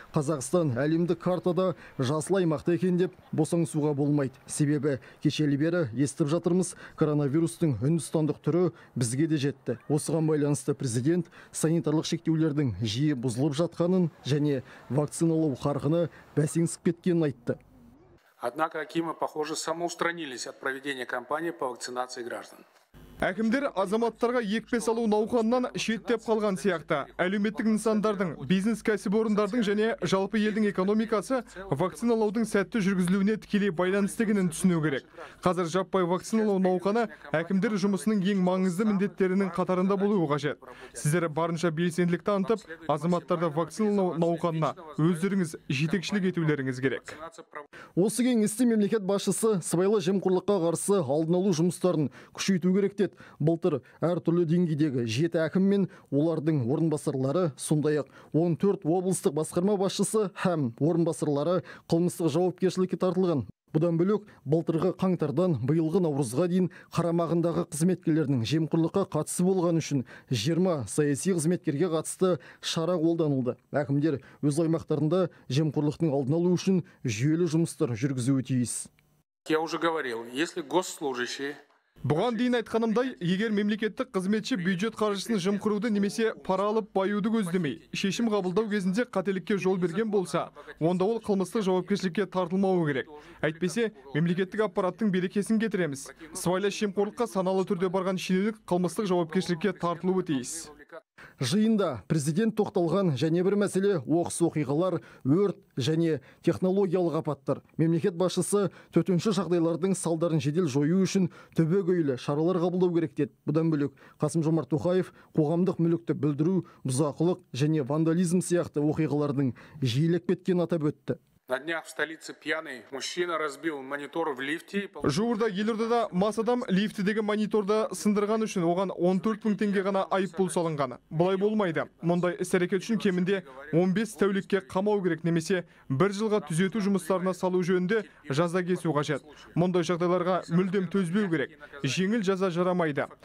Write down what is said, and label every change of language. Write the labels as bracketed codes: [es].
[kk] Қазақстан әлемдік картада жасыл аймақта екен деп босаңсуға болмайды. Себебі кешелі бері естіп жатырмыз, коронавирустың үндістандық түрі бізге де жетті. Осыған байланысты президент санитарлық шектеулердің жиі бұзылып жатқанын және вакциналау қарқыны бәсеңсіп кеткенін айтты. [ru] Однако әкімі, похоже, самоустранились от проведения кампании по вакцинации граждан. [kk] Әкімдер азаматтарға екпе салу науқанынан шеттеп қалған сияқты. Әлеуметтік нысандардың, бизнес кәсіпорындардың және жалпы елдің экономикасы вакциналаудың сәтті жүргізілуіне тікелей байланысты екенін түсіну керек. Қазір жаппай вакциналау науқаны әкімдер жұмысының ең маңызды міндеттерінің қатарында болуы қажет. Сіздер барынша белсенділік танытып, азаматтарды вакциналау науқанына өздеріңіз жетекшілік етулеріңіз керек. Осы кеңесте мемлекет басшысы сыбайлас жемқорлыққа қарсы алдын алу жұмыстарын күшейту керек. Былтыр әртүрлі деңгейдегі 7 әкім мен олардың орынбасарлары, сондай-ақ 14 облыстық басқарма басшысы һәм орынбасарлары қылмыстық жауапкершілікке тартылған. Бұдан бөлек, былтырғы қаңтардан биылғы наурызға дейін қарамағындағы қызметкерлердің жемқорлыққа қатысы болғаны үшін 20 саяси қызметкерге қатысты шара қолданылды. Әкімдер өз аймақтарында жемқорлықтың алдын алу үшін жүйелі жұмыстар жүргізуі тиіс. [ru] Я уже говорил, если госслужащие. [kk] Бұған дейін айтқанымдай, егер мемлекеттік қызметші бюджет қаржысын жымқыруды немесе пара алып баюды көздемей, шешім қабылдау кезінде қателікке жол берген болса, онда ол қылмыстық жауапкершілікке тартылмауы керек. Әйтпесе, мемлекеттік аппараттың берекесін кетіреміз. Сыбайлас жемқорлыққа саналы түрде барған шенеунік қылмыстық жауапкершілікке тартылуы тиіс. Жиында президент тоқталған және бір мәселе оқыс оқиғалар, өрт және технологиялық апаттар. Мемлекет басшысы төтенше жағдайлардың салдарын жедел жою үшін түбегейлі шаралар қабылдау керек деді. Бұдан бөлек Қасым Жомарт Тоқаев қоғамдық мүлікті бүлдіру, бұзақылық және вандализм сияқты оқиғалардың жиілеп кеткенін атап өтті. [ru] На днях в столице пьяный мужчина разбил монитор в лифте. [kk] Жуырда елордада мас адам лифтедегі мониторды сындырған үшін оған 14 000 теңге ғана айыппұл салынған. Бұлай болмайды. Мұндай іс-әрекет үшін кемінде 15 тәулікке қамау керек немесе 1 жылға түзету жұмыстарына салу жөнінде жаза кесу қажет. Мұндай жағдайларға мүлдем төзбеу керек. Жеңіл жаза жарамайды.